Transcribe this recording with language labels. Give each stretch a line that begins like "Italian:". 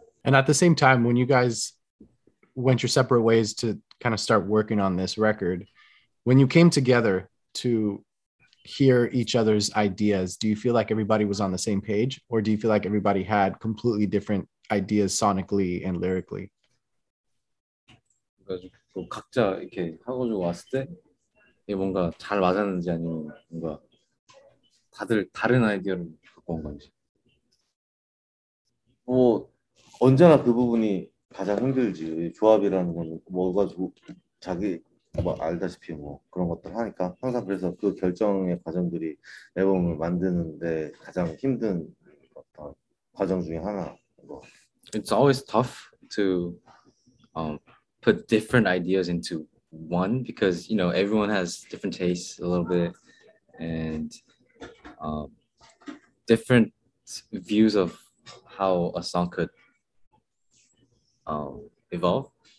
English: And at the same time, when you guys went your separate ways to kind of start working on this record, when you came together to hear each other's ideas, do you feel like everybody was on the same page, or do you feel like everybody had completely different ideas sonically and lyrically?
Korean: 각자 이렇게 하고 왔을 때 이게 뭔가 잘 맞았는지 아니면 뭔가 다들 다른 아이디어를 갖고 온 건지. 뭐 언제나 그 부분이 가장 힘들지. 조합이라는 건 뭐가 자기 뭐 알다시피 뭐 그런 것들 하니까 항상 그래서 그 결정의 과정들이 앨범을 만드는데 가장 힘든 어떤 과정 중에 하나. 뭐.
English: It's always tough to put different ideas into one because you know everyone has different tastes a little bit and different views of how a song could evolve.